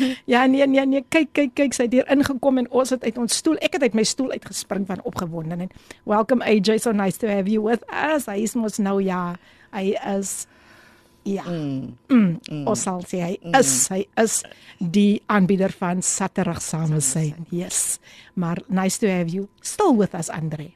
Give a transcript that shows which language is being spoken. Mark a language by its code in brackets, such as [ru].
[af] Ja, nee, kyk, sy het hier ingekom en ons het uit ons stoel, ek het uit my stoel uitgespring van opgewonden. [en] Welcome AJ, so nice to have you with us, [af] hy is ons nou, ja, hy is... Hy is die aanbieder van Saterig Samesyn. [en] Yes. Maar nice to have you still with us, Andre.